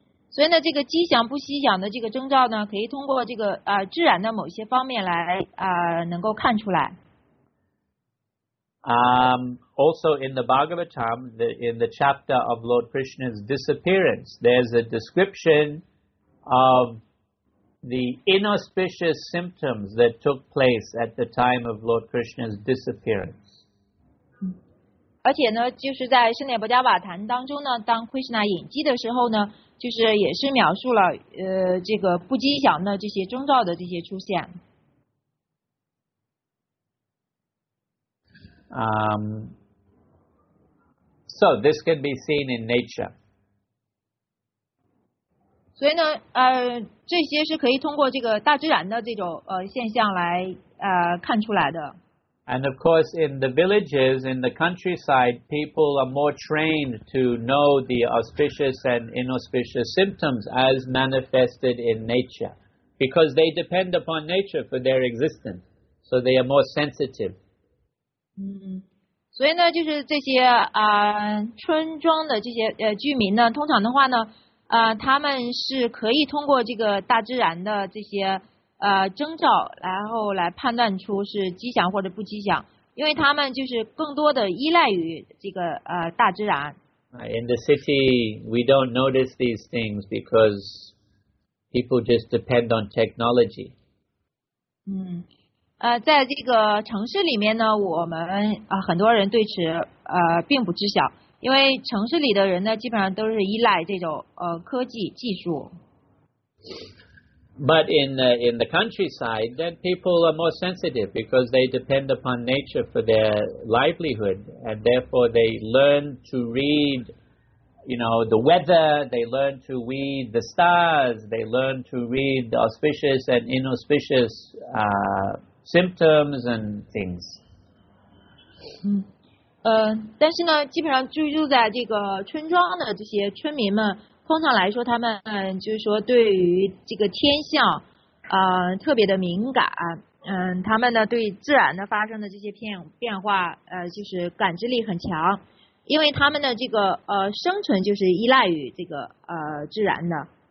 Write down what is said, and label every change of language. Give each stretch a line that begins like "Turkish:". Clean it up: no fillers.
Chinese: 所以呢，这个吉祥不吉祥的这个征兆呢，可以通过这个自然的某些方面来能够看出来。
English: Also in the Bhagavatam, in the chapter of Lord Krishna's disappearance, there's a description of the inauspicious symptoms that took place at the time of Lord Krishna's disappearance.
Chinese: 而且呢，就是在《圣涅婆迦瓦坛》当中呢，当 Krishna 隐迹的时候呢，就是也是描述了这个不吉祥的这些征兆的这些出现。
English: So this can be seen in nature.
Chinese: 所以呢，这些是可以通过这个大自然的这种现象来看出来的。
English: And of course, in the villages, in the countryside, people are more trained to know the auspicious and inauspicious symptoms as manifested in nature. Because they depend upon nature for their existence. So they are more sensitive.
Chinese: 所以呢，就是这些村庄的这些居民呢，通常的话呢，他们是可以通过这个大自然的这些征兆，然后来判断出是吉祥或者不吉祥，因为他们就是更多的依赖于这个大自然。
English: In the city, we don't notice these things because people just depend on technology.
Chinese: 在这个城市里面呢，我们很多人对此并不知晓，因为城市里的人呢，基本上都是依赖这种科技技术。
English: But in the countryside, then people are more sensitive because they depend upon nature for their livelihood, and therefore they learn to read, you know, the weather. They learn to read the stars. They learn to read the auspicious and inauspicious symptoms and things.
Chinese: 但是呢，基本上居住在这个村庄的这些村民们。通常来说，他们就是说对于这个天象，特别的敏感。他们呢对自然的发生的这些变化，就是感知力很强，因为他们的这个生存就是依赖于这个自然的。